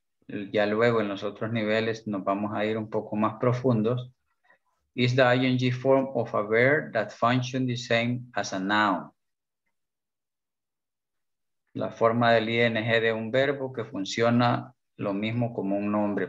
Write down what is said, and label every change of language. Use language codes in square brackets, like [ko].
[es] Ya luego en los otros niveles nos vamos a ir un poco más profundos. [en] Is the ING form of a verb that functions the same as a noun. [es] La forma del ING de un verbo que funciona lo mismo como un nombre.